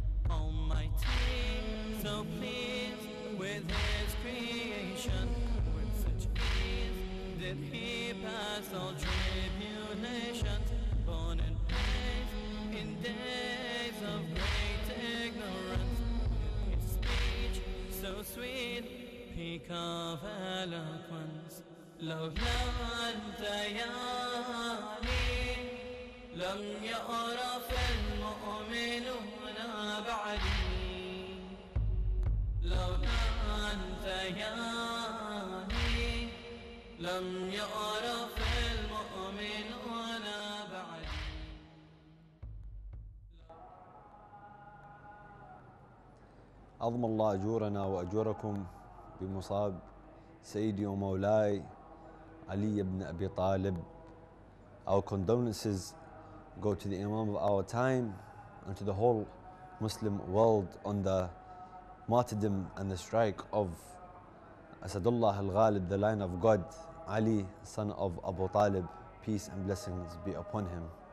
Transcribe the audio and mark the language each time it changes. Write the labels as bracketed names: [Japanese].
[English] Almighty, so pleased with his creation, with such ease did he pass all tribulations. Born in praise, in days of great ignorance, with his speech so sweet, peak of eloquence. [Arabic] لو أنت يا علي لم يعرف المؤمنون بعدي. لو أنت يا علي لم يعرف المؤمنون بعدي. أضم الله أجورنا وأجوركم بمصاب سيدي ومولاي علي بن أبي طالب. [English] Our condolences go to the Imam of our time and to the whole Muslim world on the martyrdom and the strike of Asadullah al-Ghalib, the Lion of God, Ali, son of Abu Talib. Peace and blessings be upon him.